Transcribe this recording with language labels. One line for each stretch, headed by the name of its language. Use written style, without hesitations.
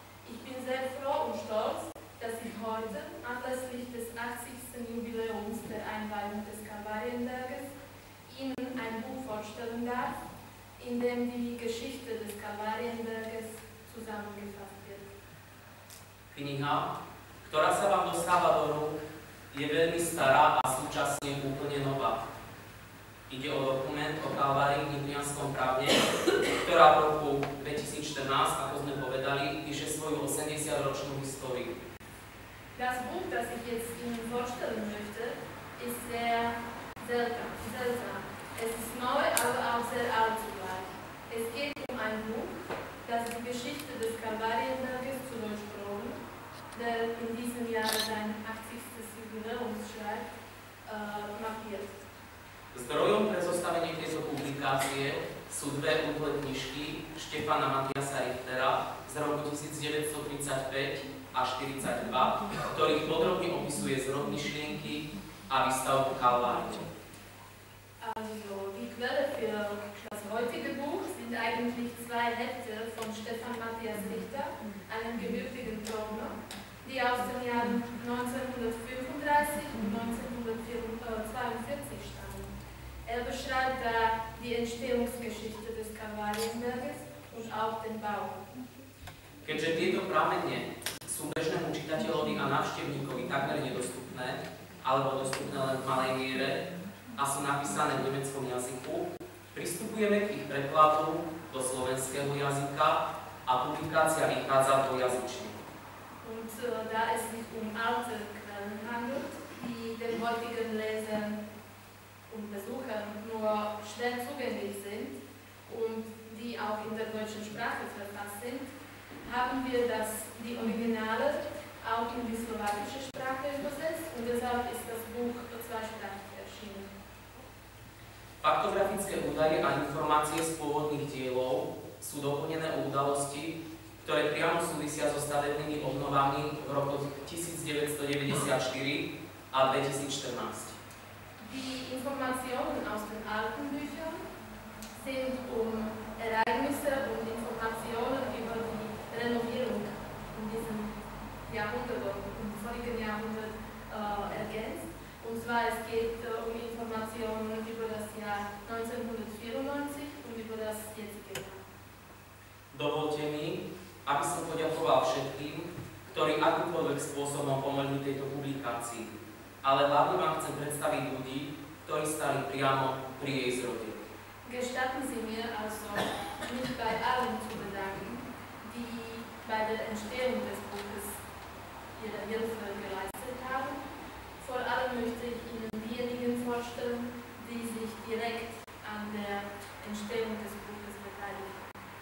German: Ich bin sehr froh und stolz, dass ich heute, anlässlich des 80. Jubiläums der Einweihung des Kalvarienberges, Ihnen ein Buch vorstellen darf, in dem die Geschichte des Kalvarienberges zusammengefasst wird.
Slovak: Kniha, ktorá sa vám dostáva do rúk, je veľmi stará a súčasne úplne nová. Ide o dokument o Kalvárii v Nitrianskom Bravne, ktorá v roku 2014, ako sme povedali, píše svoju 80-ročnú históriu.
German: Das Buch, das ich jetzt Ihnen vorstellen möchte, ist sehr seltsam. Es ist neu, aber auch sehr alt zugleich. Es geht um ein Buch, das die Geschichte des Kalvarienberges zu Deutsch-Brauen, der in diesem Jahr sein 80. Jubiläumsschreibt, markiert.
Slovak: Zdrojom pre zostavenie tejto publikácie sú dve úhle knižky Štefana Matiasa Richtera z roku 1935 a 42, ktorých podrobne opisuje zrod myšlienky a výstavbu Kalvárie.
German: Also, die Quelle für das heutige Buch sind eigentlich zwei Hefte von Stefan Matthias Richter, einem gebürtigen Brauner, die aus den Jahren 1935 und 1942 stammen. Er beschreibt da die Entstehungsgeschichte des Kalvarienberges und auch den Bau.
Slovak: Keďže tieto pramene sú bežnému čitateľovi a návštevníkovi takmer nedostupné, alebo dostupné len v malej miere, a sú napísané v nemeckom jazyku, pristupujeme k ich prekladu do slovenského jazyka a publikácia vychádza dvojjazyčne.
German: Und da es sich alte Quellen handelt, die den heutigen Lesern und Besuchern nur schwer zugänglich sind und die auch in der deutschen Sprache verfasst sind, haben wir das, die Originale auch in die slowakische Sprache übersetzt und deshalb ist das Buch zweisprachig erschienen.
Slovak: Faktografické údaje a informácie z pôvodných dielov sú doplnené o udalosti, ktoré priamo súvisia so stavebnými obnovami v roku 1994 a 2014.
German: Die Informationen aus den alten Büchern sind um Ereignisse und Informationen über die Renovierung in diesem Jahrhundert und im vorigen Jahrhundert ergänzt. Und zwar, es geht um Informationen über das Jahr 1994 und über das jetzige Jahr.
Slovak: Dovolte mi, aby som poďakoval všetkým, ktorí akýmkoľvek spôsobom pomohli tejto publikácii. Ale hlavne vám chcem predstaviť ľudí, ktorí stali priamo pri jej zrode.
German: Gestatten Sie mir also, mich bei allen zu bedanken, die bei der Entstehung des Buches ihre Hilfe geleistet haben. Vor allem möchte ich Ihnen diejenigen vorstellen, die sich direkt an der Entstehung des Buches beteiligt haben.